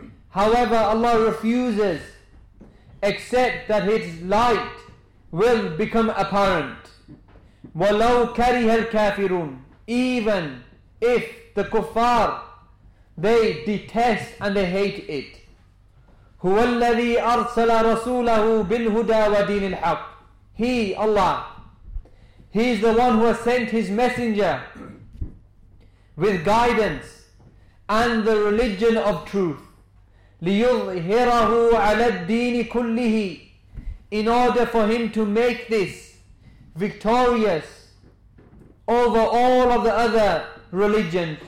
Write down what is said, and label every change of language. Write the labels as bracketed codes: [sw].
[en] However, Allah refuses except that His light will become apparent. [ar] وَلَوْ كَرِهَ الْكَافِرُونَ. [en] Even if the kuffar, they detest and they hate it. [ar] هو الذي أرسل رسوله بالهدى ودين الحق. [en] He, Allah, He is the one who has sent His messenger with guidance and the religion of truth. [ar] لِيُظْهِرَهُ عَلَى الدِّينِ كُلِّهِ. [en] In order for him to make this victorious over all of the other religions.